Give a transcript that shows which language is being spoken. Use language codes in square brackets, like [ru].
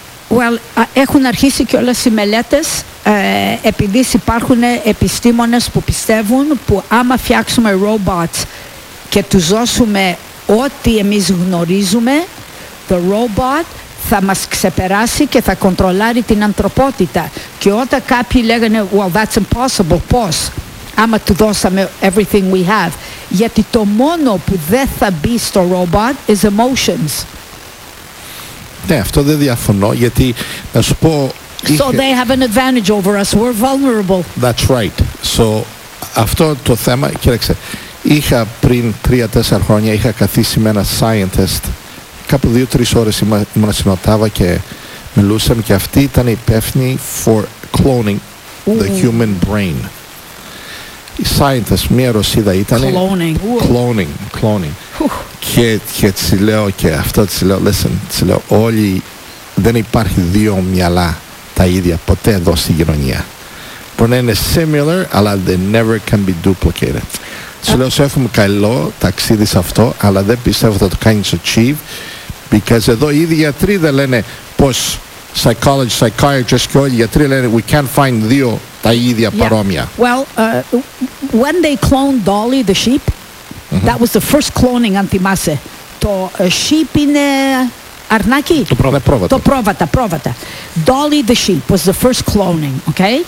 [el] Well, έχουν αρχίσει και όλες οι μελέτες, επειδή υπάρχουν επιστήμονες που πιστεύουν που άμα φτιάξουμε robots και τους δώσουμε ό,τι εμείς γνωρίζουμε, το robot θα μας ξεπεράσει και θα κοντρολάρει την ανθρωπότητα. Και όταν κάποιοι λέγανε, [en] well, that's impossible, [el] πώς, άμα του δώσαμε [en] everything we have. [el] Γιατί το μόνο που δεν θα μπει στο robot [en] is emotions. [el] Ναι, αυτό δεν διαφωνώ, γιατί να σου πω... [en] So they have an advantage over us, we're vulnerable. That's right. [el] So, αυτό το θέμα, κοίταξε, είχα πριν 3-4 χρόνια, είχα καθίσει με ένα scientist, κάπου 2-3 ώρες ήμουν στην Οτάβα και μιλούσαμε, και αυτή ήταν υπεύθυνη [en] for cloning the human brain. [el] Η scientist, μία Ρωσίδα ήταν. [en] Cloning. [el] Και τη λέω, και αυτό τη λέω, listen, τη λέω, όλοι, δεν υπάρχει δύο μυαλά τα ίδια ποτέ εδώ στη κοινωνία. Μπορεί να είναι [en] similar, αλλά they never can be duplicated. [el] Τη λέω, σε έχουμε καλό ταξίδι σε αυτό, αλλά δεν πιστεύω θα το κάνεις achieve, because εδώ οι ίδιοι γιατροί δεν λένε πως psychologists, psychiatrists και όλοι οι γιατροί λένε [en] we can't find [el] δύο τα ίδια, yeah, παρόμοια. [en] Well, when they cloned Dolly the sheep, that was the first cloning, [el] αν θυμάσαι. Το sheep είναι αρνάκι. Το πρόβατο. Το πρόβατα, πρόβατα. [en] Dolly the sheep was the first cloning, okay?